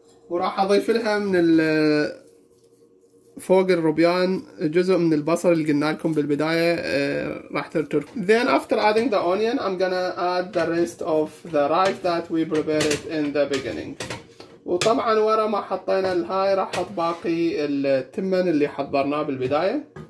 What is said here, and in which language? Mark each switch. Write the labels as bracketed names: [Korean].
[Arabic] وراح أضيف لها من فوق الروبيان جزء من البصل اللي قلنا لكم بالبداية راح ترتر. [English] Then after adding the onion, I'm gonna add the rest of the rice that we prepared in the beginning. [Arabic] وطبعا ورا ما حطينا الهاي راح أحط باقي التمن اللي حضرناه بالبداية.